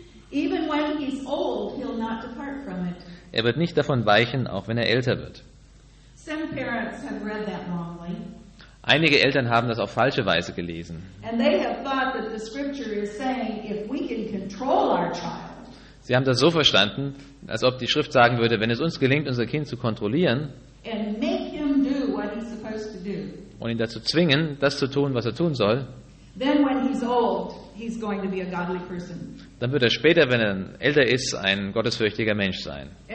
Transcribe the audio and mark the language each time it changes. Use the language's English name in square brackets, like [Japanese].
[English] Even when he's old, he'll not depart from it. [German] Er wird nicht davon weichen, auch wenn er älter wird. [English] Some parents have read that wrongly. [German] Einige Eltern haben das auf falsche Weise gelesen. [English] And they have thought that the scripture is saying if we can control our child. [German] Sie haben das so verstanden, als ob die Schrift sagen würde, wenn es uns gelingt, unser Kind zu kontrollieren [English] and make him do what he's supposed to do. [German] Und ihn dazu zwingen, das zu tun, was er tun soll, [English] then when he's old, he's going to be a godly person. [German] Dann wird er später, wenn er älter ist, ein gottesfürchtiger Mensch sein.